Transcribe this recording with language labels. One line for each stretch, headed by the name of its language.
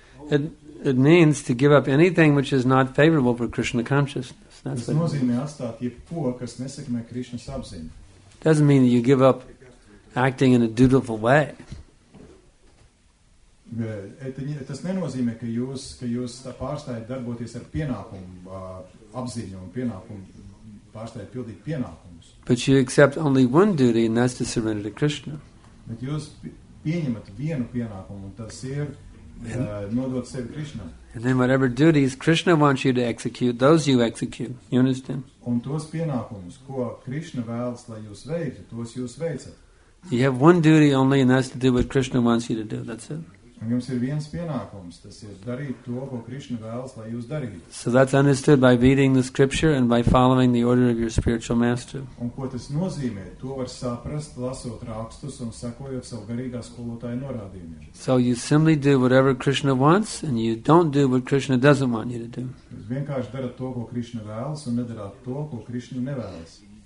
English: It means to give up anything which is not favorable for Krishna consciousness. That's what it
Latvian: nozīmē atstāt jebko, kas nesekmē Krishnas apziņu.
English: Doesn't mean that you give up acting in a dutiful way.
Latvian: Tas nenozīmē, ka jūs pārstājat darboties ar pienākumu apziņu un pienākumu pārstājat pildīt pienākumus.
English: But you accept only one duty, and that's to surrender to Krishna.
Latvian: Bet jūs pieņemat vienu pienākumu, un tas ir nodot sevi Krishna.
English: And then whatever duties Krishna wants you to execute, those you execute. You understand?
Latvian: Un tos pienākumus, ko Krishna vēlas, lai jūs veicat, tos jūs veicat.
English: You have one duty only, and that's to do what Krishna wants you to do. That's it.
Latvian: Un jums ir viens pienākums, tas ir darīt to, ko Krishna vēlas, lai jūs darītu.
English: So that's understood by reading the scripture and by following the order of your spiritual master.
Latvian: Un ko tas nozīmē, to var saprast, lasot rakstus un sekojot savu garīgā skolotāja norādījumiem.
English: So you simply do whatever Krishna wants, and you don't do what Krishna doesn't want you to do.
Latvian: Jūs vienkārši darat to, ko Krishna vēlas, un nedarāt to, ko Krishna nevēlas.